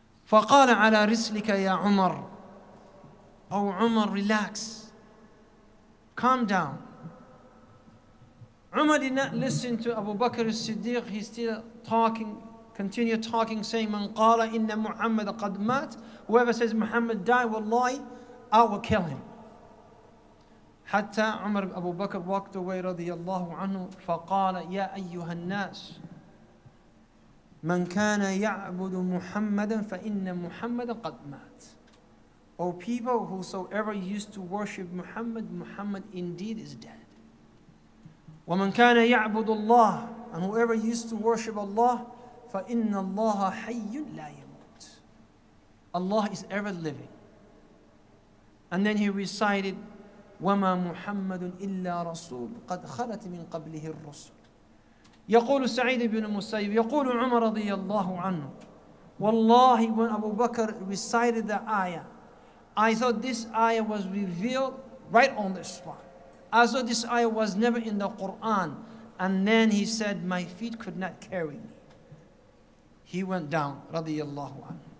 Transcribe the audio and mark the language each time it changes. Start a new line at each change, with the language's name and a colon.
Arabic: فقال على رسلك يا عمر.
English: Oh Umar, relax. Calm down. Umar did not listen to Abu Bakr as-Siddiq. He's still talking, continue talking, saying,
Arabic: من قال إن محمد قد مات.
English: Whoever says Muhammad died, wallahi, I will kill him.
Arabic: حتى عمر أبو بكر
English: walked away
Arabic: رضي الله عنه فقال يا أيها الناس من كان يعبد محمدا فإن محمدا قد مات.
English: O people, whosoever used to worship Muhammad, Muhammad indeed is dead.
Arabic: ومن كان يعبد الله,
English: and whoever used to worship Allah,
Arabic: فإن الله حي لا يموت.
English: Allah is ever living. And then he recited,
Arabic: وما محمد إلا رسول قد خلت من قبله الرسل. يقول سعيد بن المسيب يقول عمر رضي الله عنه والله,
English: when Abu Bakr recited the ayah, I thought this ayah was revealed right on the spot, as though this ayah was never in the Quran. And then he said, my feet could not carry me. He went down رضي الله عنه.